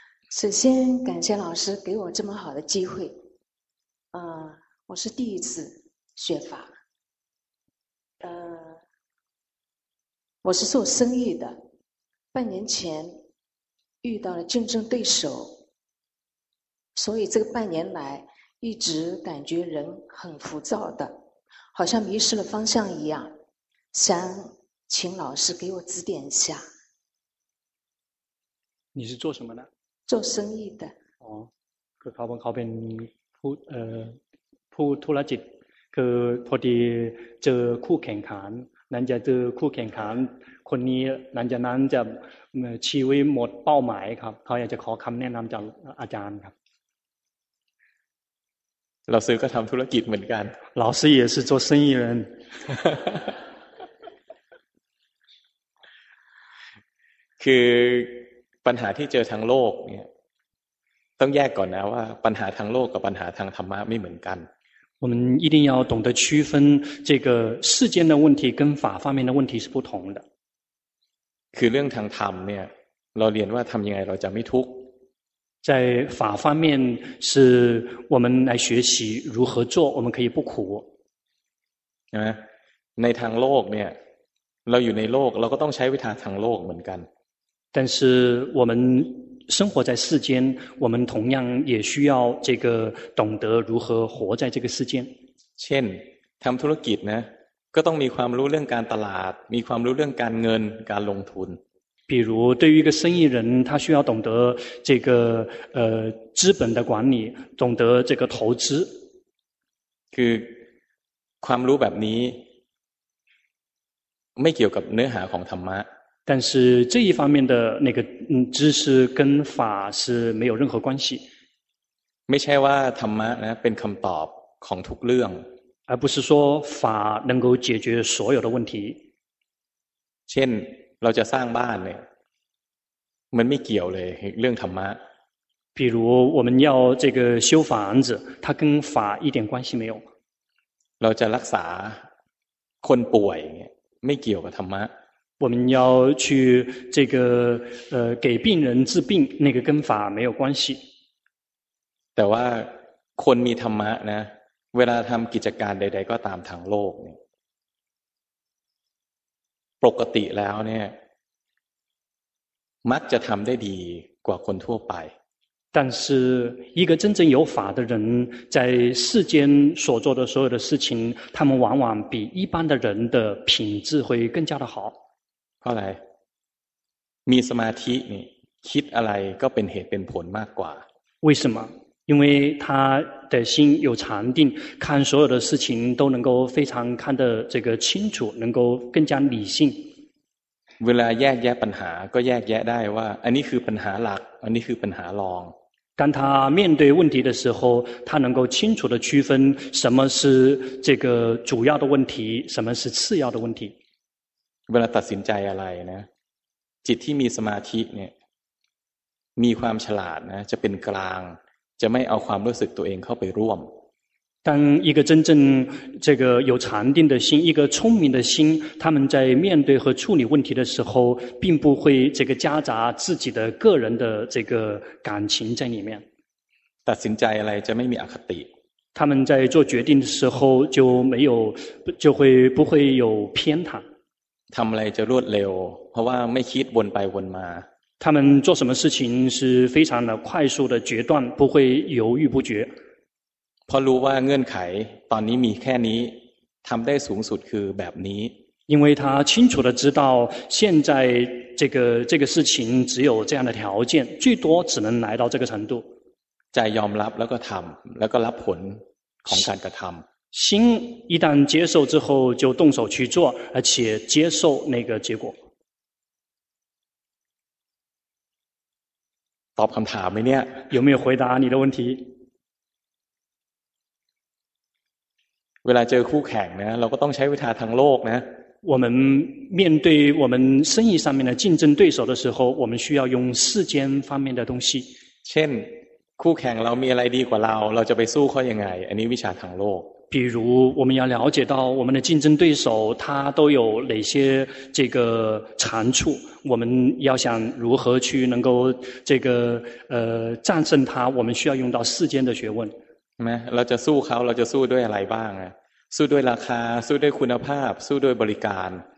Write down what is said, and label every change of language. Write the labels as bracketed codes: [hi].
[zh] 首先感谢老师给我这么好的机会我是第一次学法我是做生意的半年前遇到了竞争对手所以这个半年来一直感觉人很浮躁的好像迷失了方向一样想请老师给我指点一下你是做什么的做生意的哦그가본가본푸푸투라짓그포디저쿠캥칸난자저쿠캥칸คน니난자난자치위못빠오마이 [th] ครับเขาอยากจะขอคำแนะนำจากอาจารย์ครับ 老师ก็ทำธุรกิจเหมือนกัน [zh] 老师也是做生意人 [th] คือปัญหาที่เจอทางโลกเนี่ยต้องแยกก่อนนะว่าปัญหาทางโลกกับปัญหาทางธรรมะไม่เหมือนกัน [zh] 我们一定要懂得区分这个世间的问题跟法方面的问题是不同的 [th] คือเรื่องทางธรรมเนี่ยเราเรียนว่าทำยังไงเราจะไม่ทุกข์ [zh] 在法方面是我们来学习如何做我们可以不苦 [th] นะในทางโลกเนี่ยเราอยู่ในโลกเราก็ต้องใช้วิธีทางโลกเหมือนกัน แต่ [zh] 是我们生活在世间我们同样也需要这个懂得如何活在这个世间 [th] เช่นทำธุรกิจนะก็ต้องมีความรู้เรื่องการตลาดมีความรู้เรื่องการเงินการลงทุน [zh] 比如对于一个生意人他需要懂得这个资本的管理懂得这个投资 [th] คือความรู้แบบนี้ไม่เกี่ยวกับเนื้อหาของธรรมะ [zh] 但是这一方面的那个知识跟法是没有任何关系。 [th] ไม่ใช่ว่าธรรมะนะเป็นคำตอบของทุกเรื่อง [zh] 而不是说法能够解决所有的问题。 [th] เช่นเราจะสร้างบ้านเนี่ยมันไม่เกี่ยวเลยเรื่องธรรมะ [zh] 比如我们要这个修房子它跟法一点关系没有。 [th] เราจะรักษาคนป่วยเนี่ยไม่เกี่ยวกับธรรมะ [zh] 我们要去这个给病人治病那个跟法没有关系 [th] แต่ว่าคนมีธรรมะนะเวลาทำกิจการใดๆก็ตามทางโลกเนี่ยปกติแล้วเนี่ยมักจะทำได้ดีกว่าคนทั่วไป [zh] 但是一个真正有法的人在世间所做的所有的事情他们往往比一般的人的品质会更加的好 [th] เพราะอะไรมีสมาธินี่คิดอะไรก็เป็นเหตุเป็นผลมากกว่า [zh] 为什么因为他的心有禅定看所有的事情都能够非常看得这个清楚能够更加理性 [th] เวลาแยกแยะปัญหาก็แยกแยะได้ว่าอันนี้คือปัญหาหลักอันนี้คือปัญหารอง [zh] 当他面对问题的时候他能够清楚地区分什么是这个主要的问题什么是次要的问题 [th] เวลาตัดสินใจอะไรนะจิตที่มีสมาธิเนี่ยมีความฉลาดนะจะเป็นกลางจะไม่เอาความรู้สึกตัวเองเข้าไปร่วม [zh] 当一个真正这个有禅定的心一个聪明的心他们在面对和处理问题的时候并不会这个夹杂自己的个人的这个感情在里面 [th] ตัดสินใจอะไรจะไม่มีอคติ [zh] 他们在做决定的时候就没有就会不会有偏袒 [th] ทำอะไรจะรวดเร็วเพราะว่าไม่คิดวนไปวนมา [zh] 他们做什么事情是非常的快速的决断不会犹豫不决 [th] พอรู้ว่าเงื่อนไขตอนนี้มีแค่นี้ทำได้สูงสุดคือแบบนี้ [zh] 因为他清楚地知道现在这个事情只有这样的条件最多只能来到这个程度 [th] ใจยอมรับแล้วก็ทำแล้วก็รับผลของการกระทำ [zh] 心一旦接受之后就动手去做而且接受那个结果 [th] ตอบคำถามไหมเนี่ย [zh] 有没有回答你的问题 [th] เวลาเจอคู่แข่งนะเราก็ต้องใช้วิชาทางโลกนะ [zh] 我们面对我们生意上面的竞争对手的时候我们需要用世间方面的东西 [th] เช่นคู่แข่งเรามีอะไรดีกว่าเราเราจะไปสู้เขายังไงอันนี้วิชาทางโลก [zh] 比如我们要了解到我们的竞争对手他都有哪些这个长处我们要想如何去能够这个战胜他我们需要用到世间的学问 [th] ไหมเราจะสู้เขาเราจะสู้ด้วยอะไรบ้างอ่ะสู้ด้วยราคาสู้ด้วยคุณภาพสู้ด้วยบริการ